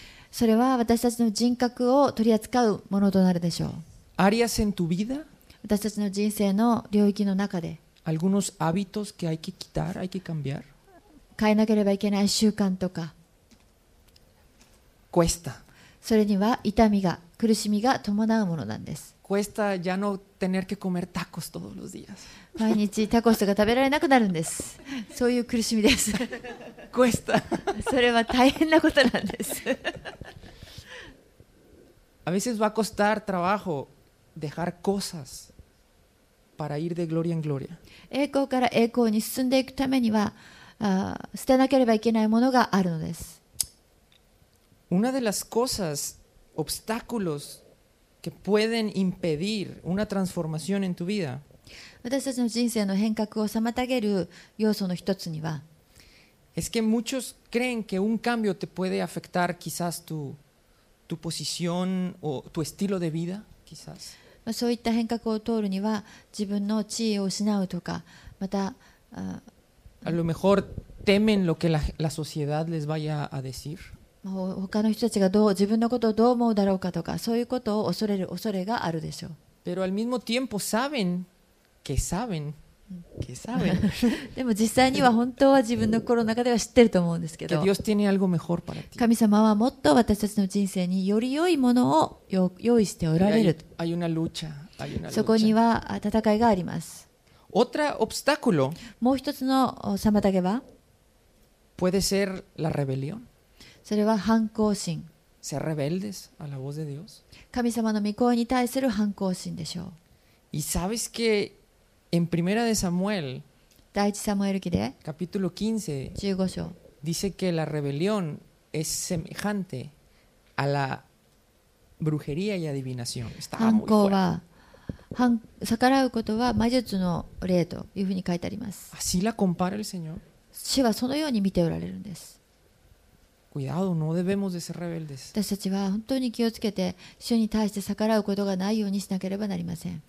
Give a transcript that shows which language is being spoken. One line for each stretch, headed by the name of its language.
Japanese: それは私たちの人格を取り扱うものとなるでしょう。
Spanish: Áreas en tu vida?
Japanese: 私たちの人生の領域の中で。
Spanish: Algunos hábitos que hay que quitar, hay que cambiar.
Japanese: 変えなければいけない習慣とか。
Spanish: Cuesta.
Japanese: それには痛みが、苦しみが伴うものなんです。
Spanish: Cuesta ya no tener que comer tacos todos los días.
Japanese: 毎日タコスとか食べられなくなるんです。そういう苦しみです。
Spanish: Cuesta.
Japanese: それは大変なことなんです。
Spanish: A veces va a costar trabajo dejar cosas. Para ir de gloria en gloria.
Japanese: 栄光から栄光に進んでいくためには捨てなければいけないものがあるのです。
Spanish: Una de las cosas, obstáculos que pueden impedir una transformación en tu vida,
Japanese: 私たちの人生の変革を妨げる要素の一つには
Spanish: es que muchos creen que un cambio te puede afectar quizás tu posición o tu estilo de vida, quizás.
Japanese: そういった変革を通るには自分の地位を失うとか、また、
Spanish: あlo mejor temen lo que la sociedad les vaya a decir。
Japanese: 他の人たちがどう自分のことをどう思うだろうかとか、そういうことを恐れる恐れがあるでしょう。
Spanish: Pero al mismo tiempo saben que saben que saben。
Japanese: でも実際には本当は自分の心の中では知ってると思うんですけど。
Spanish: Que Dios tiene algo mejor para ti。
Japanese: 神様はもっと私たちの人生により良いものを用意しておられる。
Spanish: Hay una lucha, hay una lucha.
Japanese: そこには戦いがあります。
Spanish: Otra obstáculo,
Japanese: もう一つの妨げは
Spanish: puede ser la rebelión.
Japanese: それは反抗心。
Spanish: Ser rebeldes a la voz de Dios.
Japanese: 神様の御声に対する反抗心でしょう。
Spanish: Y sabes que en primera de Samuel,
Japanese: 第一サムエル記で
Spanish: capítulo 15
Japanese: 章
Spanish: dice que la rebelión es semejante a la brujería y adivinación.
Japanese: 反抗は逆らうことは魔術の例というふうに書いてあります。
Spanish: Así la compara el Señor.
Japanese: 主はそのように見ておられるんです。
Spanish: Cuidado, no debemos de ser rebeldes.
Japanese: 私たちは本当に気をつけて主に対して逆らうことがないようにしなければなりません。